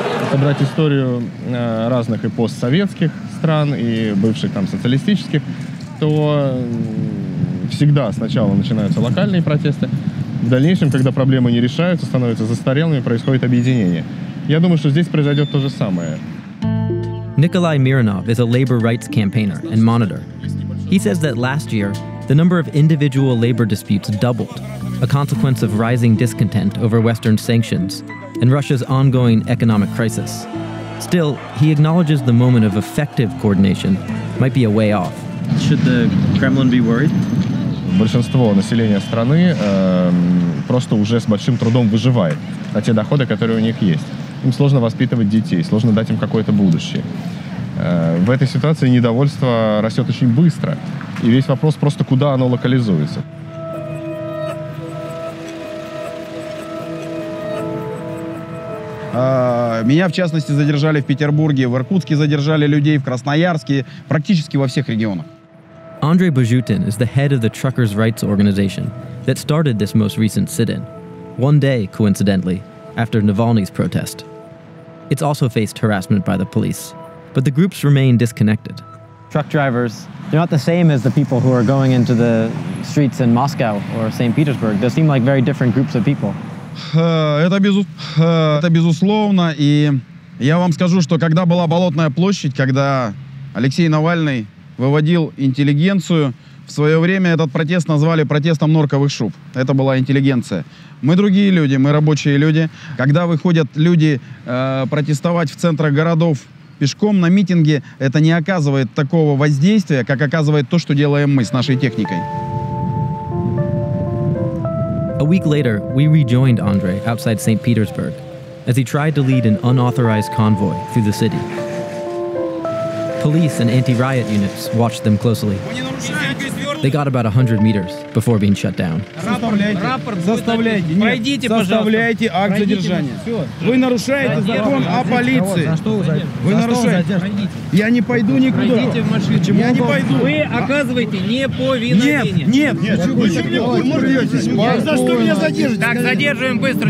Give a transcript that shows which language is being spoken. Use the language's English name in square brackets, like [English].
[Russian] Собрать историю разных и постсоветских стран и бывших там социалистических, то всегда сначала начинаются локальные протесты. В дальнейшем, когда проблемы не решаются, становятся застарелыми, происходит объединение. Я думаю, что здесь произойдет то же самое. [English] Николай Миронов is a labor rights campaigner and monitor. He says that last year, the number of individual labor disputes doubled, a consequence of rising discontent over Western sanctions and Russia's ongoing economic crisis. Still, he acknowledges the moment of effective coordination might be a way off. Should the Kremlin be worried? [Russian] Большинство населения страны просто уже с большим трудом выживает на те доходы, которые у них есть. Им сложно воспитывать детей, сложно дать им какое-то будущее. В этой ситуации недовольство растет очень быстро, и весь вопрос просто, куда оно локализуется. Меня, в частности, задержали в Петербурге, в Иркутске задержали людей, в Красноярске, практически во всех регионах. [English] Andrei Bajutin is the head of the truckers' rights organization that started this most recent sit-in, one day, coincidentally, after Navalny's protest. It's also faced harassment by the police, but the groups remain disconnected. Truck drivers, they're not the same as the people who are going into the streets in Moscow or St. Petersburg. They seem like very different groups of people. [Russian] Это безусловно, и я вам скажу, что когда была Болотная площадь, когда Алексей Навальный выводил интеллигенцию, в свое время этот протест назвали протестом норковых шуб. Это была интеллигенция. Мы другие люди, мы рабочие люди. Когда выходят люди протестовать в центрах городов пешком на митинги, это не оказывает такого воздействия, как оказывает то, что делаем мы с нашей техникой. [English] A week later, we rejoined Andrei outside St. Petersburg as he tried to lead an unauthorized convoy through the city. Police and anti-riot units watched them closely. They got about 100 meters before being shut down. [Russian] Рапорт заставляйте. Нет. Пройдите, пожалуйста. Заставляйте акт пройдите. Задержания. Все. Вы нарушаете закон о полиции. За что вы нарушаете? Я не пойду никуда. Пройдите в машину. Почему? Я не пойду. Вы оказываете неповиновение. Нет. Почему не вы можете сюда? За что меня задерживаете? Так, задерживаем быстро.